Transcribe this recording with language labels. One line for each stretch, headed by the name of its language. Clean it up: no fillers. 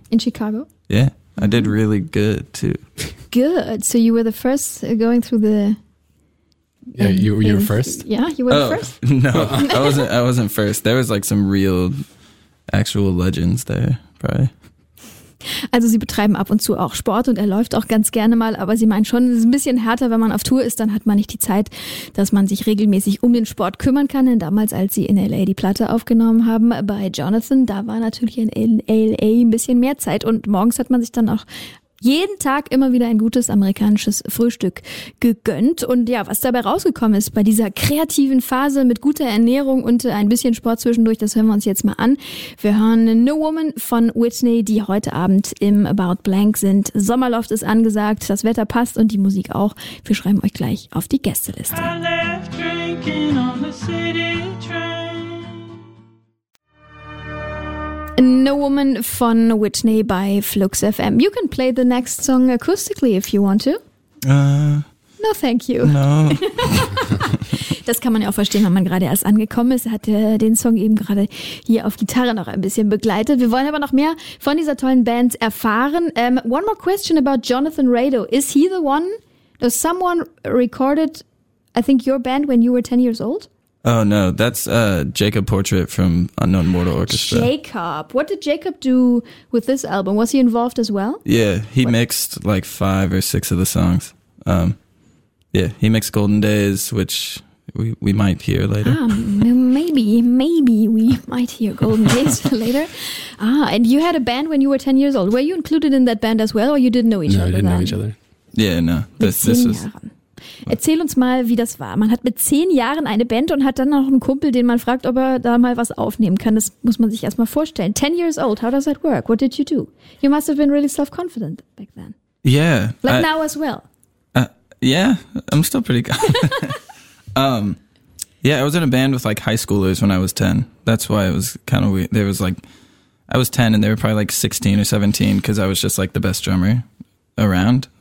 English: In Chicago? Yeah. Mm-hmm. I did really good too. Good. So you were the first going through the... Yeah, you were first? Yeah, you were the first? No, I wasn't first. There was like some real actual legends there, probably.
German: Also sie betreiben ab und zu auch Sport und er läuft auch ganz gerne mal, aber sie meinen schon, es ist ein bisschen härter, wenn man auf Tour ist, dann hat man nicht die Zeit, dass man sich regelmäßig um den Sport kümmern kann. Denn damals, als sie in L.A. die Platte aufgenommen haben bei Jonathan, da war natürlich in L.A. ein bisschen mehr Zeit und morgens hat man sich dann auch jeden Tag immer wieder ein gutes amerikanisches Frühstück gegönnt. Und ja, was dabei rausgekommen ist bei dieser kreativen Phase mit guter Ernährung und ein bisschen Sport zwischendurch, das hören wir uns jetzt mal an. Wir hören No Woman von Whitney, die heute Abend im About Blank sind. Sommerloft ist angesagt, das Wetter passt und die Musik auch. Wir schreiben euch gleich auf die Gästeliste.
English: I left drinking on the city train.
German: No Woman von Whitney by Flux FM.
English: You can play the next song acoustically if you want to. No, thank you. No.
German: Das kann man ja auch verstehen, wenn man gerade erst angekommen ist. Er hat den Song eben gerade hier auf Gitarre noch ein bisschen begleitet. Wir wollen aber noch mehr von dieser tollen Band erfahren.
English: One more question about Jonathan Rado. Is he the one? Does someone recorded, I think, your band when you were 10 years old? Oh, no, that's Jacob Portrait from Unknown Mortal Orchestra. Jacob. What did Jacob do with this album? Was he involved as well? Yeah, he mixed like 5 or 6 of the songs. He mixed Golden Days, which we might hear later. Maybe we might hear Golden Days later. Ah, and you had a band when you were 10 years old. Were you included in that band as well, or you didn't know each other? No, we didn't know each other. Yeah, no. This was...
German: Erzähl uns mal, wie das war. Man hat mit 10 Jahren eine Band und hat dann noch einen Kumpel, den man fragt, ob er da mal was aufnehmen kann. Das muss man sich erstmal vorstellen.
English: 10 years old, how does that work? What did you do? You must have been really self-confident back then. Yeah. Like now as well. I'm still pretty good. I was in a band with like high schoolers when I was 10. That's why it was kind of weird. There was like, I was 10 and they were probably like 16 or 17 because I was just like the best drummer around.